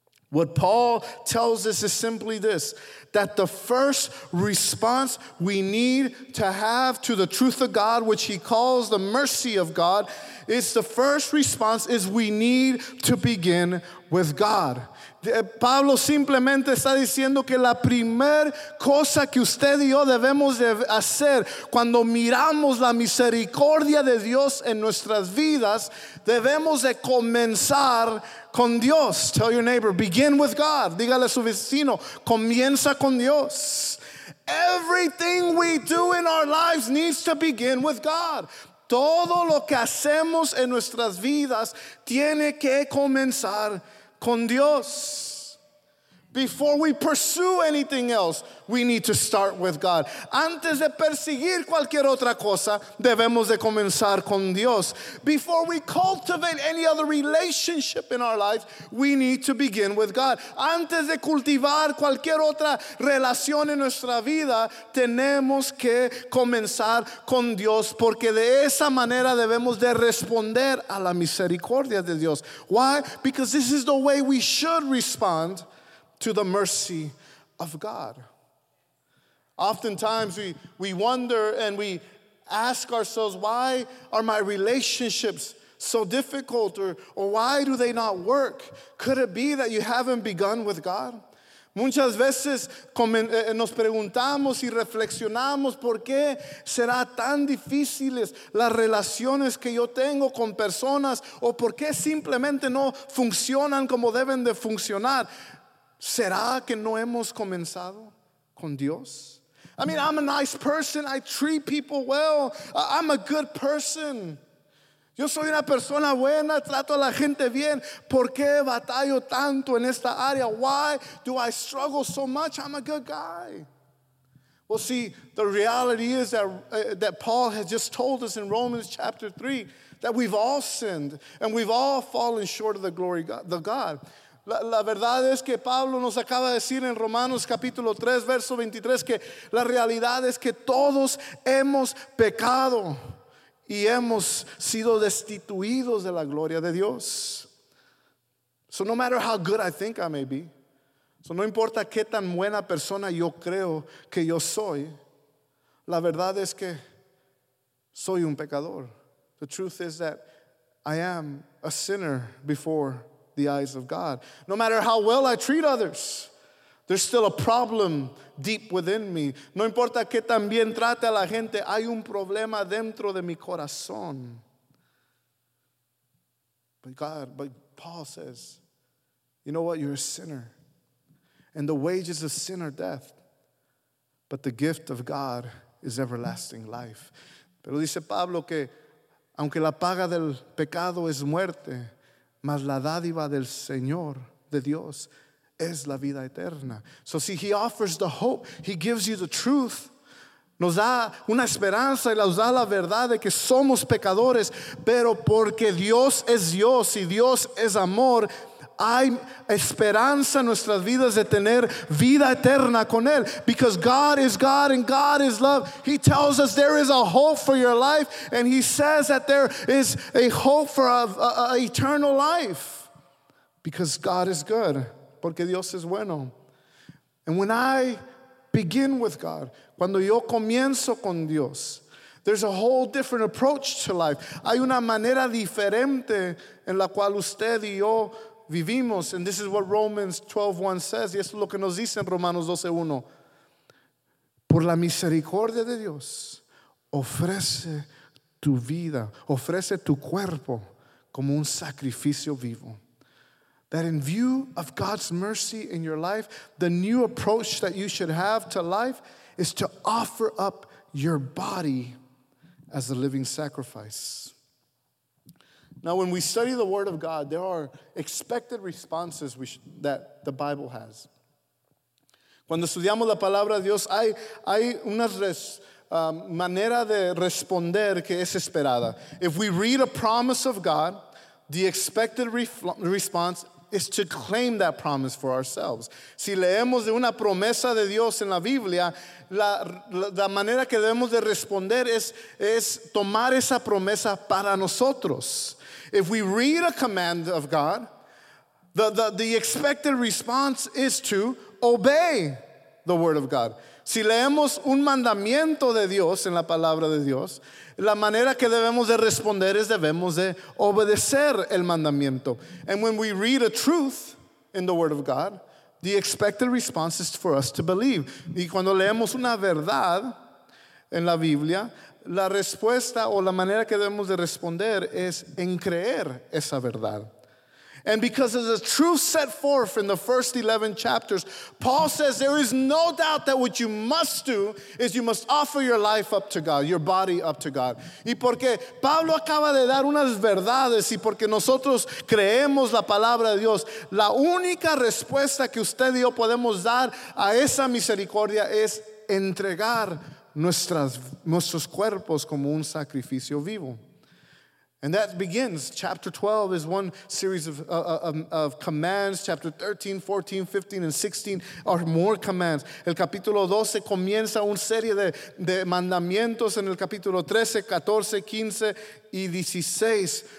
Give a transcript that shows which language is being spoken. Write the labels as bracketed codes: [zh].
[en] What Paul tells us is simply this, that the first response we need to have to the truth of God, which he calls the mercy of God, is the first response is we need to begin with God. [es] Pablo simplemente está diciendo que la primer cosa que usted y yo debemos de hacer cuando miramos la misericordia de Dios en nuestras vidas, debemos de comenzar con Dios. [en] Tell your neighbor, begin with God. [es] Dígale a su vecino, comienza con Dios. [en] Everything we do in our lives needs to begin with God. [es] Todo lo que hacemos en nuestras vidas tiene que comenzar con Dios. [en] Before we pursue anything else, we need to start with God. [es] Antes de perseguir cualquier otra cosa, debemos de comenzar con Dios. [en] Before we cultivate any other relationship in our lives, we need to begin with God. [es] Antes de cultivar cualquier otra relación en nuestra vida, tenemos que comenzar con Dios, porque de esa manera debemos de responder a la misericordia de Dios. [en] Why? Because this is the way we should respond to the mercy of God. Oftentimes we wonder and we ask ourselves, why are my relationships so difficult, or why do they not work? Could it be that you haven't begun with God? [es] Muchas veces nos preguntamos y reflexionamos, ¿por qué será tan difíciles las relaciones que yo tengo con personas, o por qué simplemente no funcionan como deben de funcionar? ¿Será que no hemos comenzado con Dios? [en] I mean, I'm a nice person. I treat people well. I'm a good person. [es] Yo soy una persona buena. Trato a la gente bien. ¿Por qué batallo tanto en esta área? [en] Why do I struggle so much? I'm a good guy. Well, see, the reality is that Paul has just told us in Romans chapter 3 that we've all sinned and we've all fallen short of the glory of God. [es] La verdad es que Pablo nos acaba de decir en Romanos capítulo 3, verso 23, que la realidad es que todos hemos pecado y hemos sido destituidos de la gloria de Dios. [en] So no matter how good I think I may be, [es] so no importa qué tan buena persona yo creo que yo soy, la verdad es que soy un pecador. [en] The truth is that I am a sinner before the eyes of God. No matter how well I treat others, there's still a problem deep within me. [es] No importa que también trate a la gente, hay un problema dentro de mi corazón. [en] But Paul says, You know what? You're a sinner. And the wages of sin are death. But the gift of God is everlasting life. [es] Pero dice Pablo que aunque la paga del pecado es muerte, mas la dádiva del Señor, de Dios, es la vida eterna. [en] So see, he offers the hope. He gives you the truth. [es] Nos da una esperanza y nos da la verdad de que somos pecadores. Pero porque Dios es Dios y Dios es amor, hay esperanza en nuestras vidas de tener vida eterna con Él. [en] Because God is God and God is love. He tells us there is a hope for your life. And he says that there is a hope for a eternal life. Because God is good. [es] Porque Dios es bueno. [en] And when I begin with God, [es] cuando yo comienzo con Dios, [en] there's a whole different approach to life. [es] Hay una manera diferente en la cual usted y yo vivimos. [en] And this is what Romans 12:1 says. [es] Y esto es lo que nos dice en Romanos 12:1. Por la misericordia de Dios, ofrece tu vida, ofrece tu cuerpo como un sacrificio vivo. [en] That in view of God's mercy in your life, the new approach that you should have to life is to offer up your body as a living sacrifice. Now, when we study the Word of God, there are expected responses that the Bible has. [es] Cuando estudiamos la palabra de Dios, hay una manera de responder que es esperada. [en] If we read a promise of God, the expected response is to claim that promise for ourselves. [es] Si leemos de una promesa de Dios en la Biblia, la manera que debemos de responder es tomar esa promesa para nosotros. [en] If we read a command of God, the expected response is to obey the word of God. [es] Si leemos un mandamiento de Dios en la palabra de Dios, la manera que debemos de responder es debemos de obedecer el mandamiento. [en] And when we read a truth in the Word of God, the expected response is for us to believe. [es] Y cuando leemos una verdad en la Biblia, la respuesta o la manera que debemos de responder es en creer esa verdad. [en] And because of the truth set forth in the first 11 chapters, Paul says there is no doubt that what you must do is you must offer your life up to God, your body up to God. [es] Y porque Pablo acaba de dar unas verdades y porque nosotros creemos la palabra de Dios, la única respuesta que usted y yo podemos dar a esa misericordia es entregar nuestros cuerpos como un sacrificio vivo. [en] And that begins, chapter 12 is one series of commands. Chapter 13, 14, 15, and 16 are more commands. [es] El capítulo 12 comienza una serie de mandamientos en el capítulo 13, 14, 15, y 16.